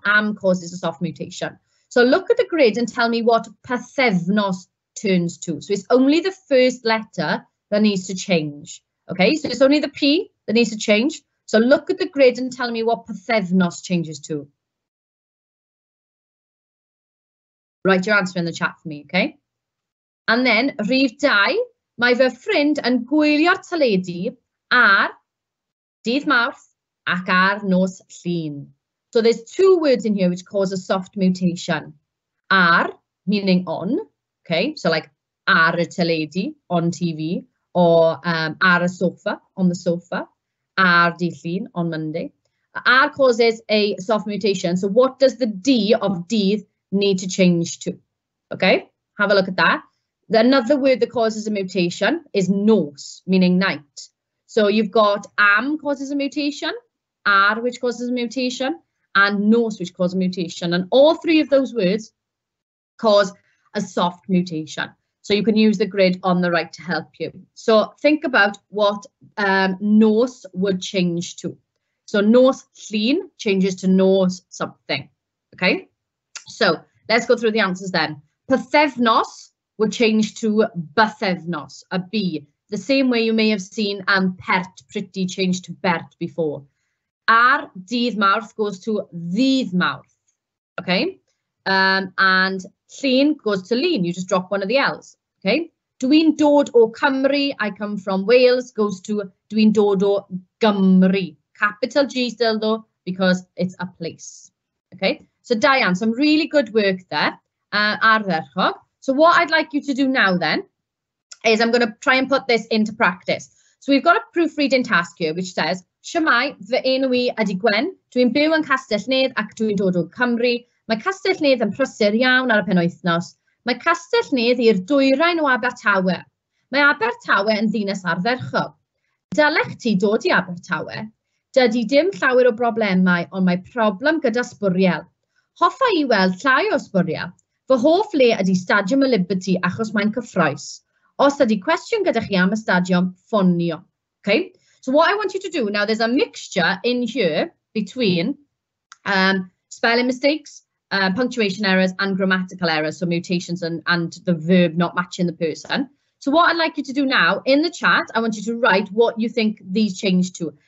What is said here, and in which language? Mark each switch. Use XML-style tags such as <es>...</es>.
<en>Am causes a soft mutation. So look at the grid and tell me what pythefnos turns to. So it's only the first letter that needs to change. Okay, so it's only the P that needs to change. So look at the grid and tell me what pythefnos changes to. Write your answer in the chat for me, okay? And then,</en> <cy>Rhif 2, mae fy ffrind yn gwylio'r teledu ar dydd Mawrth ac ar nos Llun.</cy> <en>So there's two words in here which cause a soft mutation. Ar, meaning on, okay? So like,</en> <cy>ar y teledu,</cy> <en>on TV, or</en> <cy>ar y sofa,</cy> <en>on the sofa,</en> <cy>ar dydd Llun,</cy> <en>on Monday. Ar causes a soft mutation. So what does the D of dydd need to change to? Okay, have a look at that. Another word that causes a mutation is nos, meaning night. So you've got am causes a mutation, ar which causes a mutation, and nos which causes a mutation. And all three of those words cause a soft mutation. So you can use the grid on the right to help you. So think about what nos would change to. So nos Llun changes to nos something, okay? So let's go through the answers then. Pythefnos would change to bythefnos, a B. The same way you may have seen pert, pretty, changed to bert before. Ar dydd Mawrth goes to ddydd Mawrth, okay? And Llun goes to Llun, you just drop one of the L's, okay?</en> <cy>Dwi'n dod o Cymru,</cy> <en>I come from Wales, goes to</en> <cy>dwi'n dod o Gymru.</cy> <en>Capital G still though, because it's a place, okay? So Diane, some really good work there, Ardderchog. So what I'd like you to do now then, is I'm going to try and put this into practice. So we've got a proofreading task here, which says,</en> <cy>Shemai, fy enw I ydi Gwen, dwi'n byw yn Castellnedd ac dwi'n dod o Cymru. Mae Castellnedd yn prysur iawn ar y penwythnos. Mae Castellnedd i'r dwyrain o Abertawe. Mae Abertawe yn ddinas Ardderchog. Dylech ti dod i Abertawe? Dydy dim llawer o broblemau, ond mae problem gyda sbwriel. Hoffa I weld llai o sbwriel. Fy hoff le ydy Stadiwm y Liberty achos mae'n cyffroes. Os ydy cwestiwn gyda chi am y stadiwm, ffonio.</cy> <en>Okay? So what I want you to do, now there's a mixture in here between Spelling mistakes, punctuation errors and grammatical errors, so mutations and the verb not matching the person. So what I'd like you to do now in the chat, I want you to write what you think these change to.</en>